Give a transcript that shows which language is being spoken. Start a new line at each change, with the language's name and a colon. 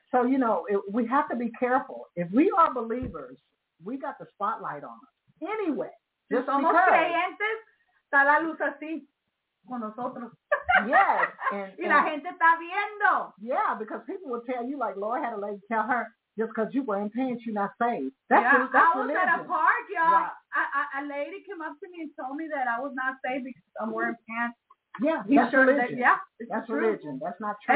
English: So, you know, we have to be careful. If we are believers, we got the spotlight on us. Anyway, just
Spanish: somos
English: because.
Spanish: Somos creyentes, está la luz así con nosotros.
English: Yes. And,
Spanish: y la gente está viendo.
English: Yeah, because people will tell you, like, Laura had a lady tell her, just because you were in pants, you're not saved. That's religion. I was at a park, y'all. Right. A lady came up to me and told me that I was not saved because I'm wearing pants. Yeah, he that's religion. That, yeah, that's true. Religion. That's not true.